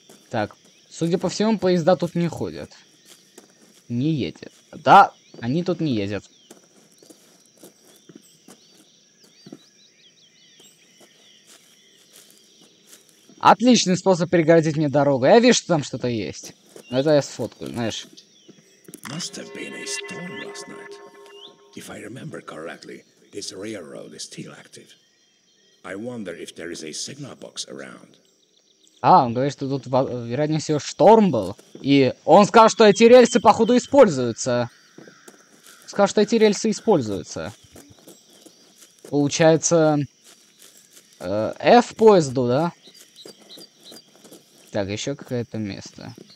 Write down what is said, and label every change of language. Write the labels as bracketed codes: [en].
[ru] Так, судя по всему, поезда тут не ходят. Не едет. Да, они тут не ездят. Отличный способ перегородить мне дорогу. Я вижу, что там что-то есть. Но это я сфоткаю, знаешь. [en] Must have been a storm last night. If I remember correctly, this railroad is still active. I wonder if there is a signal box around. [ru] А, он говорит, что тут, вероятнее всего, шторм был. И он сказал, что эти рельсы, походу, используются. Сказал, что эти рельсы используются. Получается... F поезду, да? Так, еще какое-то место.